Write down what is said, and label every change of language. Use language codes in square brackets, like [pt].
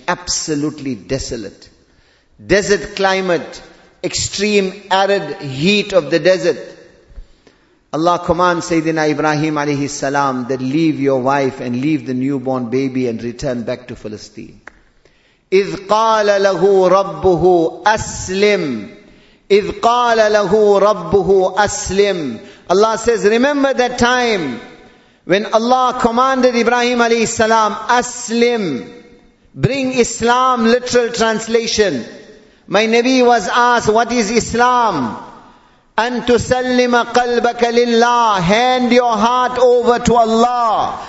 [en] Absolutely desolate. Desert climate, extreme arid heat of the desert. Allah commands Sayyidina Ibrahim alayhi salam that leave your wife and leave the newborn baby and return back to Philistine. [ar] إِذْ قَالَ لَهُ رَبُّهُ أَسْلِمْ إِذْ قَالَ لَهُ رَبُّهُ أَسْلِمْ [en] Allah says, remember that time when Allah commanded Ibrahim alayhi salam, Aslim, bring Islam, literal translation. My Nabi was asked, what is Islam? [ar] أن تسلم قلبك لله, [en] hand your heart over to Allah.